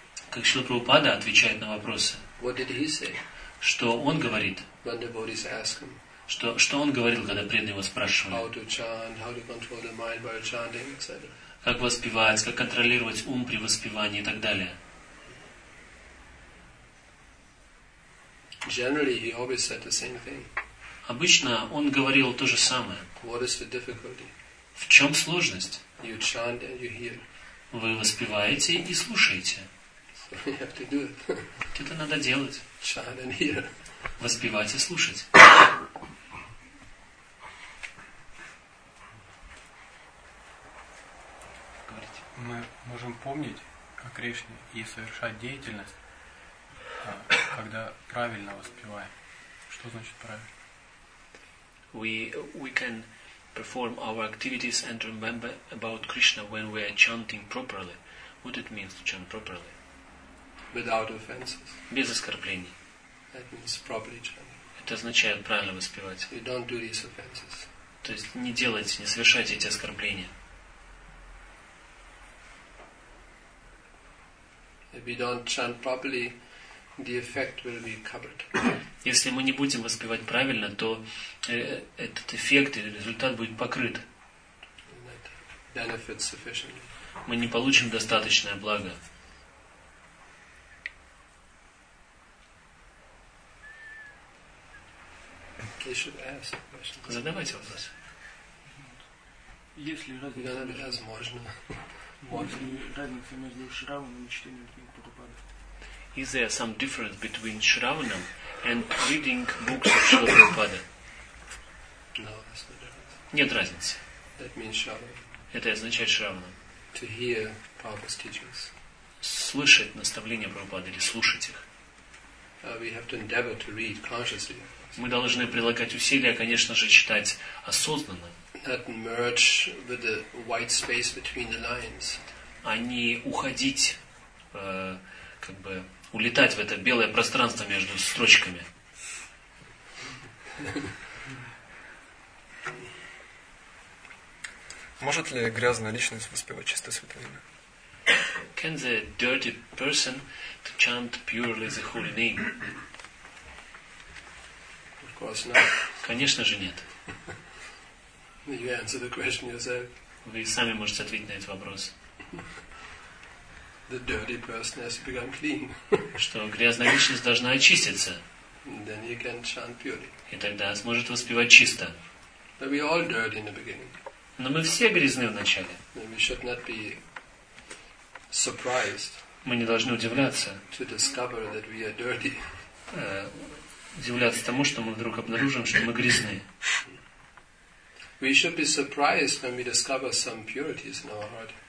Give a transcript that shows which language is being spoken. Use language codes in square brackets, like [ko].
[ru] Как Шрила Прабхупада отвечает на вопросы? [en] What did he say? [ru] Что он говорит? [en] When the devotees ask him. [ru] Что он говорил, когда преданные его спрашивали? [en] How to chant, how to control the mind while chanting, etc. [ru] Как воспевать, как контролировать ум при воспевании и так далее. [en] Generally, he always said the same thing. [ru] Обычно он говорил то же самое. [en] What is the difficulty? [ru] В чем сложность? [en] You chant and you hear. [ru] Вы воспеваете и слушаете. [en] So you have to do it. [ru] Вот это надо делать. [en] Chant and hear. [ru] Воспевать и слушать. мы можем помнить о Кришне и совершать деятельность, когда правильно воспеваем. Что значит правильно? [en] We can perform our activities and remember about Krishna when we are chanting properly. What it means to chant properly? Without offenses. [ru] Без оскорблений. [en] That means properly chanting. [ru] Это означает правильно воспевать. [en] You don't do these offenses. [ru] То есть не делайте, не совершайте эти оскорбления. [en] If we don't chant properly, the effect will be covered. [ru] Если мы не будем воспевать правильно, то этот эффект или результат будет покрыт. [en] Benefits sufficiently. [ru] Мы не получим достаточное благо. [en] They should ask questions. [ru] Задавайте вопросы. Если разница возможно. Разница между Шраваном и чтением книг Прабхупады. [en] Is there some difference between Shravanam and reading books of Srila Prabhupada? No, that's no difference. [ru] Нет разницы. [en] That means Shravanam. [ru] Это означает Шраванам. [en] To hear Prabhupada's teachings. [ru] Слышать наставления Прабхупады или слушать их. [en] We have to endeavor to read consciously. [ru] Мы должны прилагать усилия, конечно же, читать осознанно. [en] Not merge with the white space between the lines. [ru] А не уходить, как бы улетать в это белое пространство между строчками. Может ли грязная личность воспевать чистое святое имя? [en] Can the dirty person to chant purely the holy name? Of course not. [ru] Конечно же нет. [en] You answer the question yourself. [ru] Вы сами можете ответить на этот вопрос. [en] The dirty person has become clean. [ru] Что грязная личность должна очиститься. [en] Then you can chant purely. [ru] И тогда сможет воспевать чисто. [en] But we all dirty in the beginning. [ru] Но мы все грязны в начале. [en] We should not be surprised. [ru] Мы не должны удивляться. [en] To discover that we are dirty. [ru] Удивляться тому, что мы вдруг обнаружим, что мы грязны. [en] We should be surprised when we discover some purities in our heart.